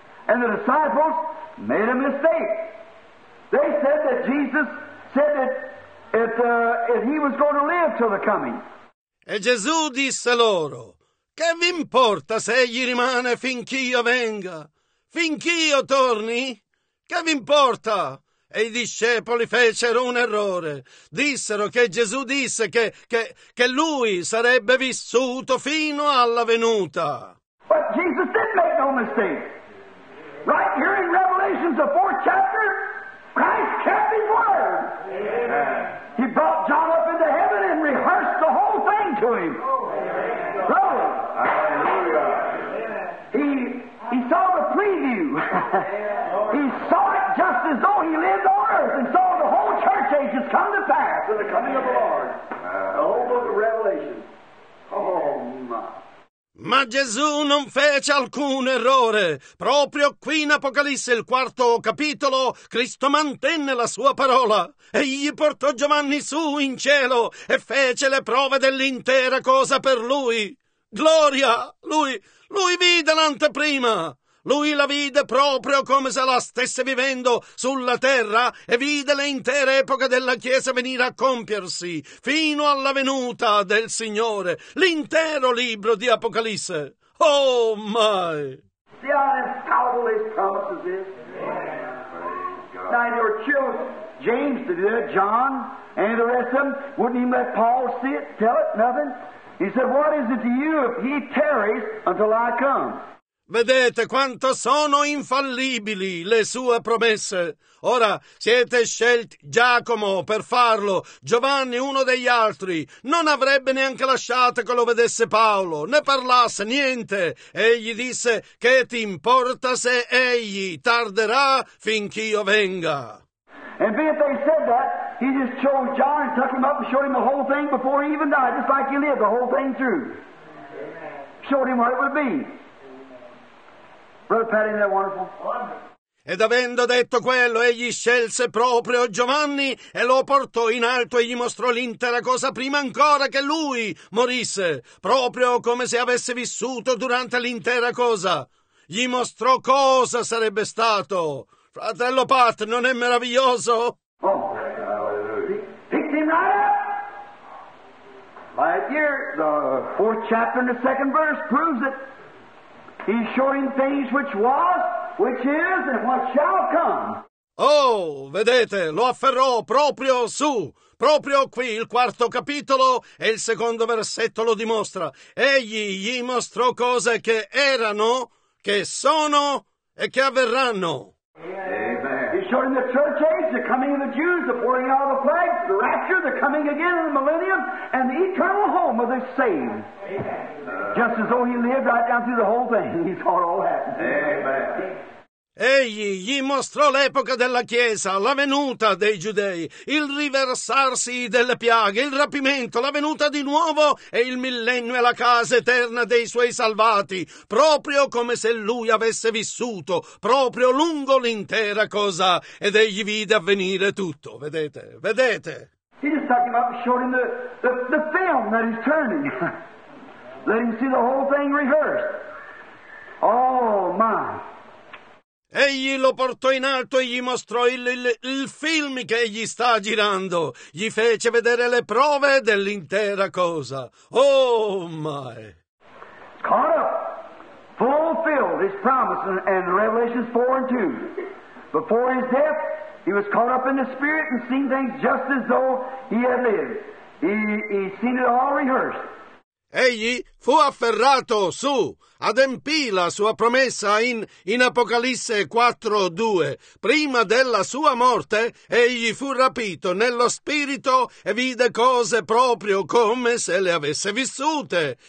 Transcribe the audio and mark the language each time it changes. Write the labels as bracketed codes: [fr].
[en] And the disciples made a mistake. They said that Jesus said that if he was going to live till the coming. [it] E Gesù disse loro, che vi importa se egli rimane finch'io venga? Finch'io torni? Che vi importa? E i discepoli fecero un errore. Dissero che Gesù disse che lui sarebbe vissuto fino alla venuta. [en] But Jesus didn't make no mistake. Right here in Revelation, the fourth chapter, Christ kept his word. Amen. He brought John up into heaven and rehearsed the whole thing to him. Amen. So, he saw the preview. He saw just as though he lived on earth and saw the whole church ages come to pass in the coming of the Lord. The whole book of Revelation. Oh, my. [it] Ma Gesù non fece alcun errore. Proprio qui in Apocalisse, il quarto capitolo, Cristo mantenne la sua parola. Egli portò Giovanni su in cielo e fece le prove dell'intera cosa per lui. Gloria! Lui vide l'anteprima. Lui la vide proprio come se la stesse vivendo sulla terra e vide le intere epoche della Chiesa venire a compiersi fino alla venuta del Signore, l'intero libro di Apocalisse. [en] Oh, my! See how incredible his promises is? Amen. Now, your children, James, John, and the rest of them, wouldn't even let Paul see it, tell it, nothing? He said, what is it to you if he tarries until I come? [it] Vedete quanto sono infallibili le sue promesse. Ora siete scelti Giacomo per farlo, Giovanni uno degli altri. Non avrebbe neanche lasciato che lo vedesse Paolo, né parlasse niente. Egli disse, che ti importa se egli tarderà finch'io venga? [en] And then they said that, he just chose John and took him up and showed him the whole thing before he even died, just like he lived the whole thing through. Amen. Showed him what it would be. Brother Patty, isn't that wonderful? [it] Ed avendo detto quello, egli scelse proprio Giovanni e lo portò in alto e gli mostrò l'intera cosa prima ancora che lui morisse, proprio come se avesse vissuto durante l'intera cosa. Gli mostrò cosa sarebbe stato. Fratello Pat, non è meraviglioso? [en] Oh, picked him right up. Right here, the fourth chapter and the second verse proves it. He's showing things which was, which is, and what shall come. [it] Oh, vedete, lo afferrò proprio su. Proprio qui il quarto capitolo e il secondo versetto lo dimostra. Egli gli mostrò cose che erano, che sono e che avverranno. [en] He showed him the church age, the coming of the Jews, the pouring out of the flags, the rapture, the coming again in the millennium, and the eternal home of the saved. Just as though he lived right down through the whole thing, he saw it all happen. Amen. [it] Egli gli mostrò l'epoca della Chiesa, la venuta dei giudei, il riversarsi delle piaghe, il rapimento, la venuta di nuovo e il millennio e la casa eterna dei suoi salvati, proprio come se lui avesse vissuto, proprio lungo l'intera cosa, ed egli vide avvenire tutto. Vedete, vedete. [en] He just took him up and showed him the film that is turning. Let him see the whole thing rehearsed. Oh my. [it] Egli lo portò in alto e gli mostrò il film che egli sta girando. Gli fece vedere le prove dell'intera cosa. [en] Oh, my! Caught up, fulfilled his promise in Revelations 4 and 2. Before his death, he was caught up in the Spirit and seen things just as though he had lived. He seen it all rehearsed. [it] Egli fu afferrato su, adempì la sua promessa in Apocalisse 4:2. Prima della sua morte, egli fu rapito nello spirito e vide cose proprio come se le avesse vissute.